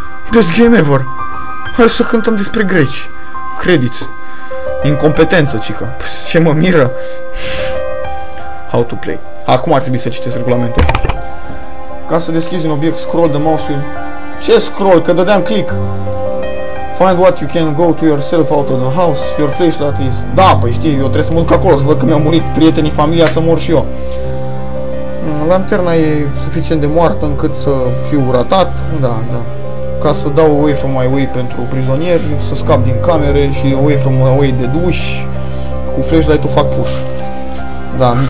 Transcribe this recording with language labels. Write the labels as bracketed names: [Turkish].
[English] Best game ever. [Romanian] Hai să cântăm despre greci. Credits. Incompetență, cică. Păi, ce mă miră. [English] How to play. [Romanian] Acum ar trebui să citesc regulamentul. Ca să deschizi un obiect, [English] scroll the [Romanian] mouse-ul. Ce scroll? Că dădeam click. [English] Find what you can go to yourself out of the house. Your flashlight is... [Romanian] Da, păi știi, eu trebuie să mă duc acolo, să văd că mi-au murit prietenii, familia, să mor și eu. Lanterna e suficient de moartă încât să fiu ratat. Da, da. Ca să dau [English] away from my way [Romanian] pentru prizonieri, să scap din camere și away from my way de duș. Cu flashlight-ul fac push. Da.